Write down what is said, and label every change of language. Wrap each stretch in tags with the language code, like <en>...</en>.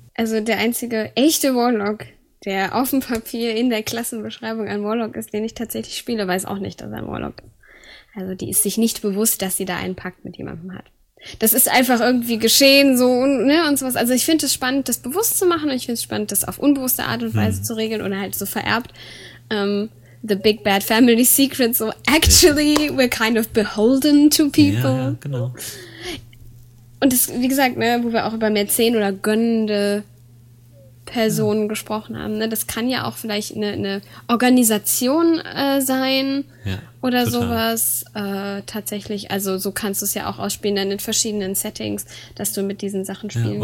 <de>Also der einzige echte Warlock, der auf dem Papier in der Klassenbeschreibung ein Warlock ist, den ich tatsächlich spiele, weiß auch nicht, dass er ein Warlock ist. Also die ist sich nicht bewusst, dass sie da einen Pakt mit jemandem hat. Das ist einfach irgendwie geschehen so und sowas. Also ich finde es spannend, das bewusst zu machen, und ich finde es spannend, das auf unbewusste Art und Weise zu regeln oder halt so vererbt.</de> <en>The Big Bad Family Secret, so actually we're kind of beholden to people.</en> <de>Ja, genau. Und das, wie gesagt, ne, wo wir auch über Mäzen oder gönnende Personen gesprochen haben. Ne? Das kann ja auch vielleicht eine Organisation sein oder total. Sowas. Tatsächlich, also so kannst du es ja auch ausspielen, dann in verschiedenen Settings, dass du mit diesen Sachen spielen kannst.</de>